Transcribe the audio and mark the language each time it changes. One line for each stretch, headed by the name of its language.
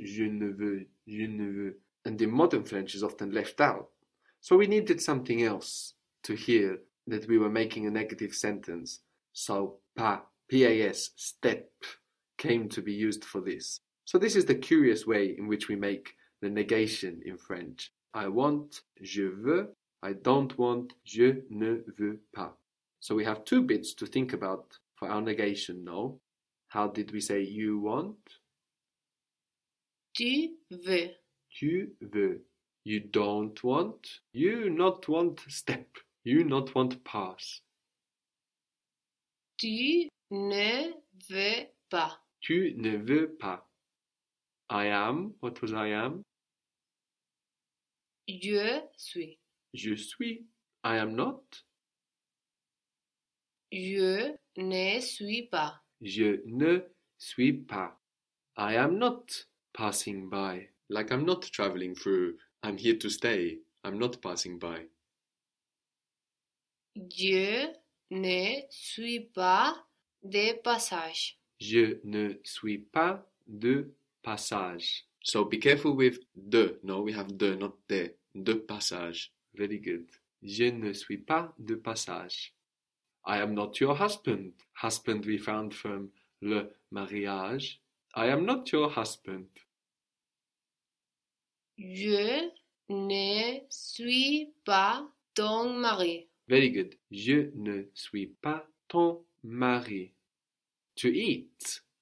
French: Je ne veux,
English: and in modern French is often left out. So we needed something else to hear that we were making a negative sentence. So pas, P-A-S, step, came to be used for this. So this is the curious way in which we make the negation in French. I want,
French: je veux,
English: I don't want,
French: je ne veux pas.
English: So we have two bits to think about for our negation, no? How did we say you want?
French: Tu veux. Tu veux.
English: You don't want, you not want step, you not want pass.
French: Tu ne veux pas. Tu ne veux pas.
English: I am, what was I am?
French: Je suis. Je suis.
English: I am not.
French: Je ne suis pas. Je ne suis pas.
English: I am not passing by. Like I'm not traveling through. I'm here to stay. I'm not passing by.
French: Je ne suis pas de passage. Je ne suis pas de passage.
English: So be careful with de. No, we have de, not de. De passage.
French: Very good. Je ne suis pas de passage.
English: I am not your husband. Husband we found from le mariage. I am not your husband.
French: Je ne suis pas ton mari.
English: Very good.
French: Je ne suis pas ton mari.
English: To eat.